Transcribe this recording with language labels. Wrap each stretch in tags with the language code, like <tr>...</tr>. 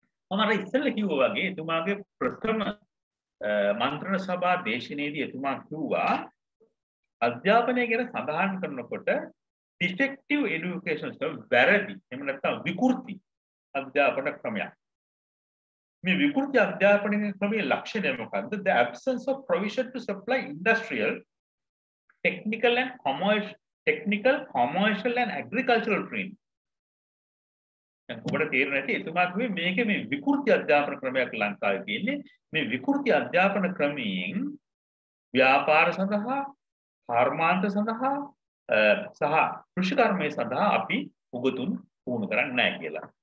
<si>මම අර ඉස්සෙල්ලා කිව්වා වගේ එතුමාගේ ප්‍රථම මන්ත්‍රණ සභා දේශනයේදී එතුමා කිව්වා අධ්‍යාපනය ගැන සඳහන් කරනකොට</si> <en>defective education system</en> <si>වැරදි එහෙම නැත්නම් විකෘති අධ්‍යාපන ක්‍රමයක්. මේ විකෘති අධ්‍යාපන ක්‍රමයේ ලක්ෂණය මොකද්ද?</si> <en>The absence of provision to supply industrial, technical and commercial, technical, commercial and agricultural training.</en> <si>ඔබට තේරෙන ඇති එතුමා කිව්වේ මේක මේ විකෘති අධ්‍යාපන ක්‍රමයක් ලංකාවේ තියෙන්නේ. මේ විකෘති අධ්‍යාපන ක්‍රමයෙන් ව්‍යාපාර සඳහා කර්මාන්ත සඳහා සහ කෘෂිකර්මයේ සඳහා අපි උගතුන් පුහුණු කරන්නේ නැහැ කියලා.</si>